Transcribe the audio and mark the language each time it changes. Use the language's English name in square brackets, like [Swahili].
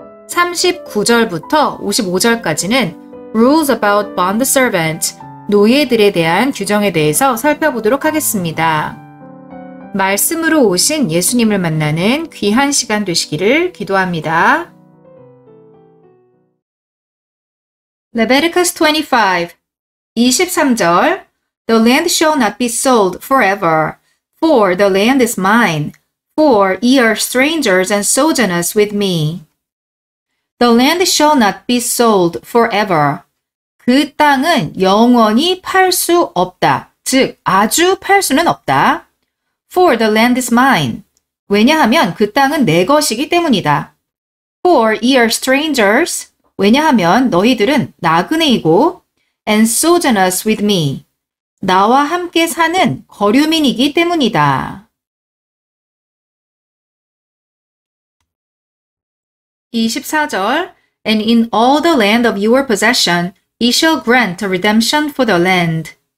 [Korean] 39절부터 55절까지는 [English] Rules about bond servants, [Korean] 노예들에 대한 규정에 대해서 살펴보도록 하겠습니다. 말씀으로 오신 예수님을 만나는 귀한 시간 되시기를 기도합니다. [English] Leviticus 25, 23절 The land shall not be sold forever, for the land is mine, for ye are strangers and sojourners with me. The land shall not be sold forever. [Korean] 그 땅은 영원히 팔 수 없다. 즉, 아주 팔 수는 없다. [English] For the land is mine. [Korean] 왜냐하면 그 땅은 내 것이기 때문이다. [English] For ye are strangers. [Korean] 왜냐하면 너희들은 나그네이고 [English] and sojourners with me. [Korean] 나와 함께 사는 거류민이기 때문이다. [English] And in all the land of your possession, ye shall grant a redemption for the land.